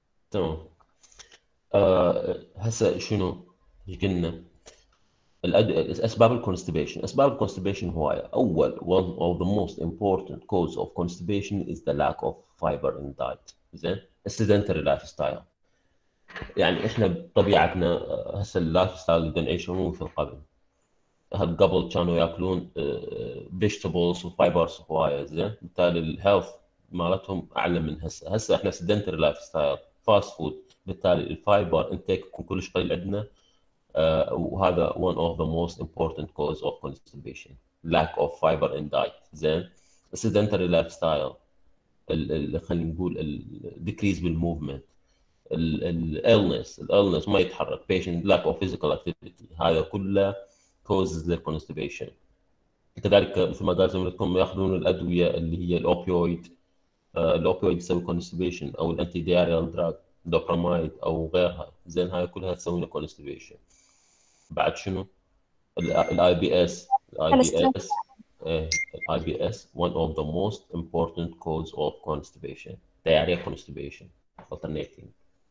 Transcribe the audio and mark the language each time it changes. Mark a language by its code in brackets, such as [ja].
[ar] تمام. هسه شنو قلنا اسباب الكونستيبيشن؟ اسباب الكونستيبيشن هواية. اول [en] one of the most important cause of constipation is the lack of fiber in diet. [ar] زين sedentary lifestyle، يعني احنا بطبيعتنا هسه اللايف ستايل اللي نعيشه مو مثل قبل. هل قبل كانوا ياكلون فيجيتابلز وفايبرز هواية، زين بالتالي الهيلث مالتهم اعلى من هسه. هسه احنا sedentary lifestyle فاست فود، بالتالي الفايبر انتيك يكون كلش قليل عندنا. وهذا [en] one of the most important cause of constipation lack of fiber in diet. زين sedentary lifestyle [ar] خلينا نقول [en] ال decrease بالموفمنت، ال illness، ال illness [ar] ما يتحرك [en] patient، lack of physical activity، [ar] هذا كله [en] causes the constipation. [ar] كذلك مثل ما قال زميلكم ياخذون الادويه اللي هي الاوبيويد. الاوبيويد يسوي كونستبيشن، او الانتي دياريال دراج دوبرامايد او غيرها. زين هاي كلها تسوي لك كونستبيشن. بعد شنو؟ الاي بي اس، الاي بي اس ايه الاي بي اس [en] one of the most important cause of constipation، [ar] دياريا كونستبيشن alternating.